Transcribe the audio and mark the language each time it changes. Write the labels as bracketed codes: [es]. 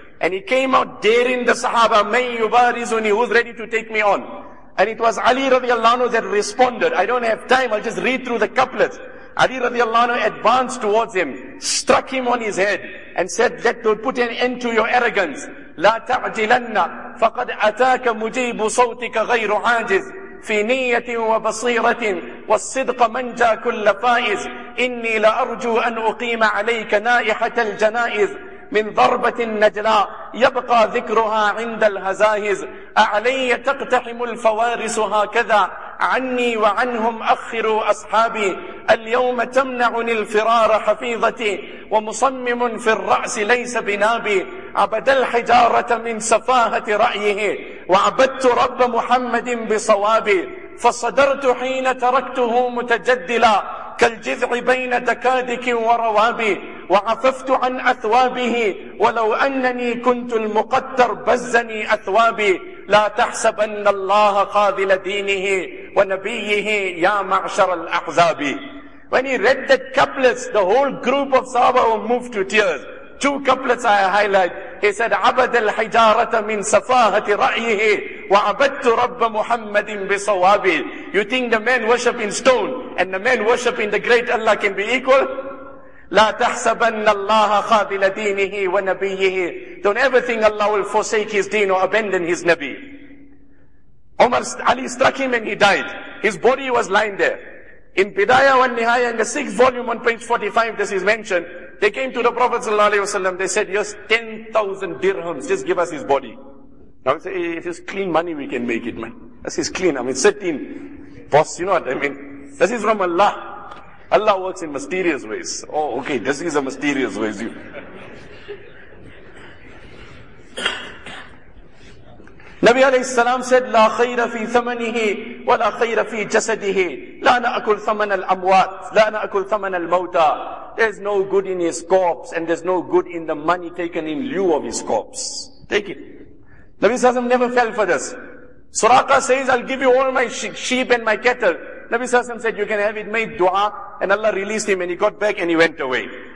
[en] And he came out daring the Sahaba, [ar] May yubarizuni, [en] who's ready to take me on? And it was Ali radiallahu anhu that responded, I don't have time, I'll just read through the couplets. Ali radiallahu anhu advanced towards him, struck him on his head, and said, let them put an end to your arrogance. [ar] لا تعجلن فقد أتاك مجيب صوتك غير عاجز في نية وبصيرة والصدق منجى كل فائز إني لأرجو أن أقيم عليك نائحة الجنائز من ضربة النجلاء يبقى ذكرها عند الهزائز أعلي تقتحم الفوارس هكذا عني وعنهم أخروا أصحابي اليوم تمنعني الفرار حفيظتي ومصمم في الرأس ليس بنابي عبد الحجارة من سفاهة رأيه وعبدت رب محمد بصوابي فصدرت حين تركته متجدلا كالجذع بين دكادك وروابي وعففت عن أثوابه ولو أنني كنت المقدر بزني أثوابي لا تحسب أن الله خاذل دينه ونبيه يا معشر الأحزاب. [en] When he read that couplets, the whole group of Sahaba were moved to tears. Two couplets I highlight. He said, [ar] عبد الحجارة من سفاهة رأيه وعبدت رب محمد بصوابي. [en] You think the man worship in stone and the man worship in the great Allah can be equal? [ar] لا تحسبن الله خاذل دينه ونبيه. [en] Don't ever think Allah will forsake his deen or abandon his Nabi. Umar Ali struck him and he died. His body was lying there. In Bidaya wa Nihaya, in the 6th volume on page 45, this is mentioned. They came to the Prophet sallallahu alaihi wasallam. They said, yes, 10,000 dirhams, just give us his body. Now we say, hey, if it's clean money, we can make it, man. This is clean. I mean, 13. Boss, you know what I mean? This is from Allah. Allah works in mysterious ways. Oh, okay, this is a mysterious way. [ar] Nabi alayhi salam said, لا خير في ثمنه ولا خير في جسده لا نأكل ثمن الأموات لا نأكل ثمن الموتى. [en] There's no good in his corpse and there's no good in the money taken in lieu of his corpse. Take it. Nabi salam never fell for this. Suraqa says, I'll give you all my sheep and my cattle. Nabi salam said, you can have it, made dua, and Allah released him and he got back and he went away.